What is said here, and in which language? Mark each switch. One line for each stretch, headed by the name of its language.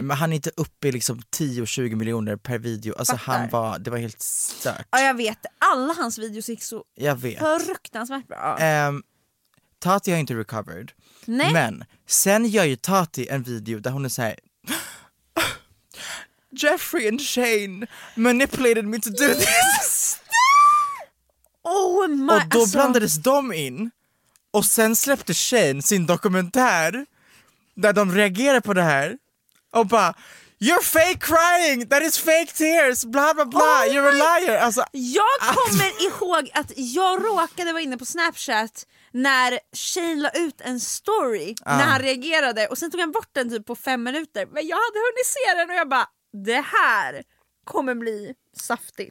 Swedish: Men han är inte uppe i liksom 10-20 miljoner per video. Alltså fattar. Han var, det var helt stört. Ja, jag vet. Alla hans videos gick så fruktansvärt bra. Tati har inte recovered. Nej. Men sen gör ju Tati en video där hon är såhär...
English: Jeffrey and Shane manipulated me to do this. Oh my.
Swedish: Och då blandades de in. Och sen släppte Shane sin dokumentär där de reagerar på det här och bara,
English: you're fake crying, that is fake tears, bla bla bla, oh, you're a liar.
Swedish: Alltså, jag kommer ihåg att jag råkade vara inne på Snapchat när Shane la ut en story när han reagerade, och sen tog han bort den typ på 5 minuter, men jag hade hunnit se den och jag bara, det här kommer bli saftigt.